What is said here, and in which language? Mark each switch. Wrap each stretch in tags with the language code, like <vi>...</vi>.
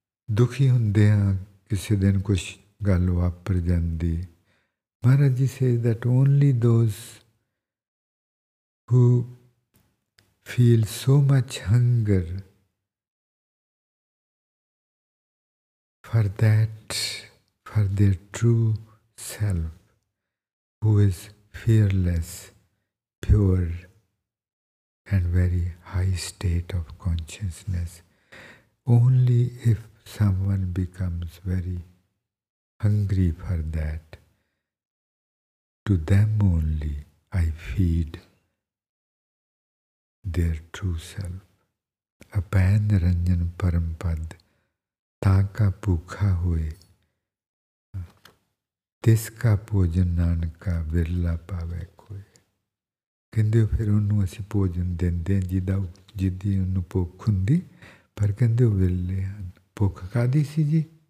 <pa>ਦੁਖੀ ਹੁੰਦੇ ਹਾਂ ਕਿਸੇ ਦਿਨ ਕੁਛ ਗੱਲ ਵਾਪਰ ਜਾਂਦੀ</pa> <en>Maharaj ji says that only those who feel so much hunger for that for their true self, who is fearless, pure, and very high state of consciousness. Only if someone becomes very hungry for that, to them only I feed their true self.</en> <pa>Apai niranjan param pad, taka bhukha hoye, ਤਿਸਕਾ ਭੋਜਨ ਨਾਨਕਾ ਬਿਰਲਾ ਪਾਵੇ ਕੋਈ ਕਹਿੰਦੇ ਉਹ ਫਿਰ ਉਹਨੂੰ ਅਸੀਂ ਭੋਜਨ ਦਿੰਦੇ ਹਾਂ ਜਿਹਦਾ ਜਿਹਦੀ ਉਹਨੂੰ ਭੁੱਖ ਹੁੰਦੀ ਪਰ ਕਹਿੰਦੇ ਉਹ ਵਿਰਲੇ ਹਨ ਭੁੱਖ ਕਾਹਦੀ ਸੀ ਜੀ</pa>